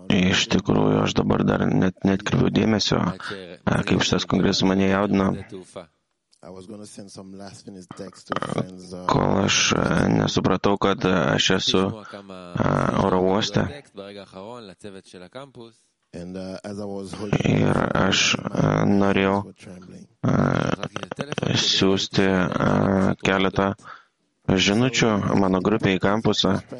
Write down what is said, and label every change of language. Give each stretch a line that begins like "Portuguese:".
Lithuanian: Iš tikrųjų, aš dabar dar net kreipiu dėmesio, kaip šitas kongresas mane jaudina.
English: I was going to send some last minute text to friends.
Lithuanian: Kol aš nesupratau, kad aš esu oro uoste.
English: And as I was holding,
Lithuanian: aš norėjau siųsti keletą žinučių mano grupei į kampusą.